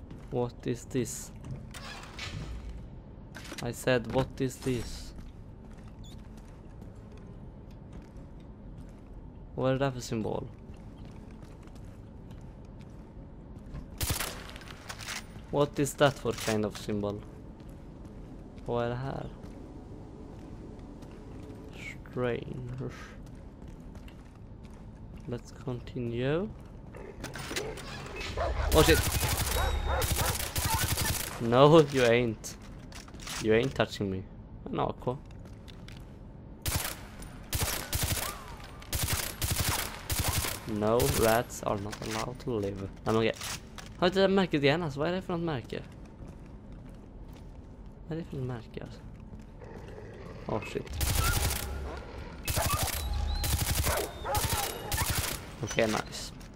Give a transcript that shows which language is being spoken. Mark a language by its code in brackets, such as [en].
[en] What is this? I said, what is this? [sv] Vad är det där för symbol? [en] What is that for kind of symbol? [sv] Vad är det här? [en] Strange. Let's continue. Oh shit! No, you ain't. You ain't touching me. An aqua. No, rats are not allowed to live. I'm okay. [sv] Har inte det märket igen alltså? Vad är det för något märke? Vad är det för något märke alltså? [en] Oh shit. Okej, okay, nice.